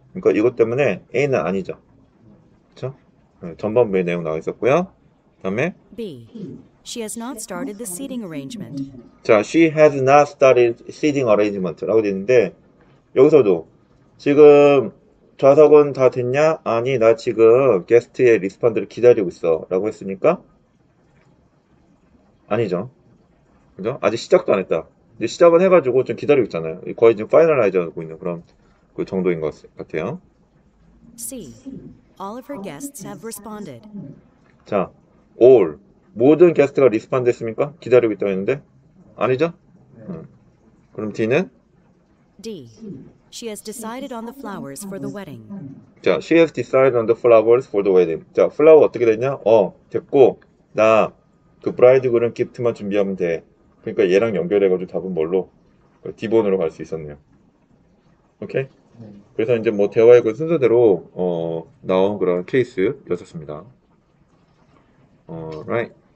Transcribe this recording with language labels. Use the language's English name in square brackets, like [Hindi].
[Korean] 그러니까 이것 때문에 A는 아니죠. 전반부의 내용 나와 있었고요. 그다음에 [English] B. She has not started the seating arrangement. [Korean] 자, [English] she has not started seating arrangement [Korean] 라고 되어 있는데 여기서도 지금 좌석은 다 됐냐? 아니, 나 지금 게스트의 리스폰드를 기다리고 있어라고 했으니까 아니죠. 그죠? 아직 시작도 안 했다. 이제 시작은 해가지고 좀 기다리고 있잖아요. 거의 지금 파이널라이즈하고 있는 그런 그 정도인 것 같아요. [English] C. All of her guests have responded. 자, all. [Korean] 모든 게스트가 리스폰드 했습니까? 기다리고 있다고 했는데? 아니죠? 그럼 D는? [English] D. She has decided on the flowers for the wedding. 자, she has decided on the flowers for the wedding. [Korean] 자, flower 어떻게 됐냐? 됐고, 나, 그 브라이드그룸 기프트만 준비하면 돼. 그러니까 얘랑 연결해가지고 답은 뭘로? D번으로 갈수 있었네요. 오케이? 그래서 이제 뭐 대화의 그 순서대로 나온 그런 케이스였었습니다. Alright.